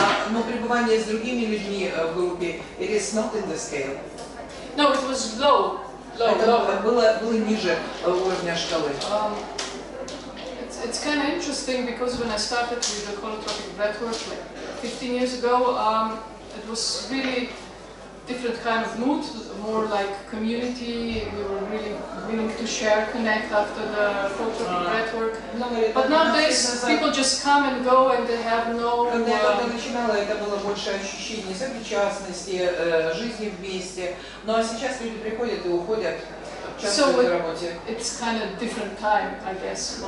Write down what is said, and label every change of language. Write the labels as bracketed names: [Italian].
[Russian] Но пребывание с другими людьми в группе, [English] it is not in the scale. No, it was low. [Russian] Это было ниже уровня шкалы. [English] It's kind of interesting because when I started with the holotropic breathwork like 15 years ago, it was really different kind of mood, more like community. We were really willing to share, connect after the photographic network. But nowadays people just come and go, and they have no. [Russian] Когда я только начинала, это было больше ощущение сопричастности, жизни вместе. Ну а сейчас люди приходят и уходят. [English] So it's kind of different time, I guess.